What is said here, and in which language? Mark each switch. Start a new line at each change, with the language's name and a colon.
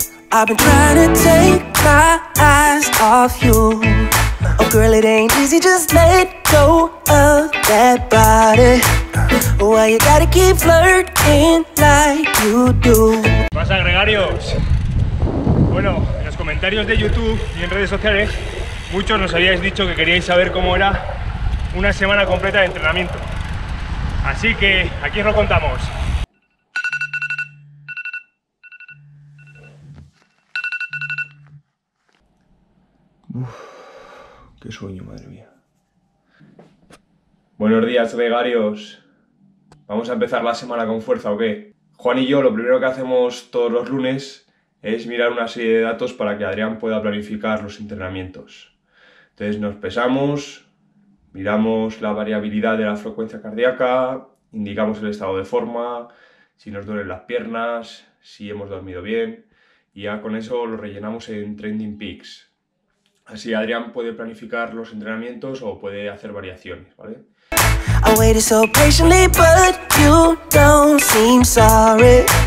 English: I've been trying to take my eyes off you. Oh girl, it ain't easy, just let go of that body. Why you gotta keep flirting like you do?
Spanish: ¿Vas a agregarios? Bueno, en los comentarios de YouTube y en redes sociales muchos nos habíais dicho que queríais saber cómo era una semana completa de entrenamiento. Así que aquí os lo contamos. Uf, qué sueño, madre mía. Buenos días, gregarios. ¿Vamos a empezar la semana con fuerza o qué? Juan y yo lo primero que hacemos todos los lunes es mirar una serie de datos para que Adrián pueda planificar los entrenamientos. Entonces nos pesamos, miramos la variabilidad de la frecuencia cardíaca, indicamos el estado de forma, si nos duelen las piernas, si hemos dormido bien, y ya con eso lo rellenamos en Training Peaks. Así Adrián puede planificar los entrenamientos o puede hacer variaciones, ¿vale?
English: I waited so patiently, but you don't seem sorry.